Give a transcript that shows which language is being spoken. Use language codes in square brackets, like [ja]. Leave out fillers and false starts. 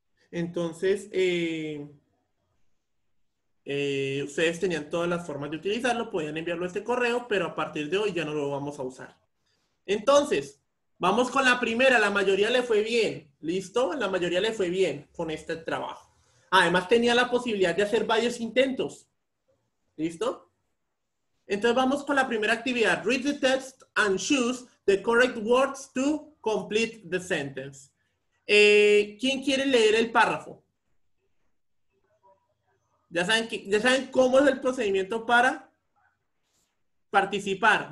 [es] Entonces, ustedes tenían todas las formas de utilizarlo, podían enviarlo a este correo, pero a partir de hoy ya no lo vamos a usar. Entonces, vamos con la primera, la mayoría le fue bien, ¿listo? La mayoría le fue bien con este trabajo. Además, tenía la posibilidad de hacer varios intentos, ¿listo? Entonces, vamos con la primera actividad. [en] Read the text and choose the correct words to complete the sentence. [es] ¿Quién quiere leer el párrafo? ¿Ya saben cómo es el procedimiento para participar?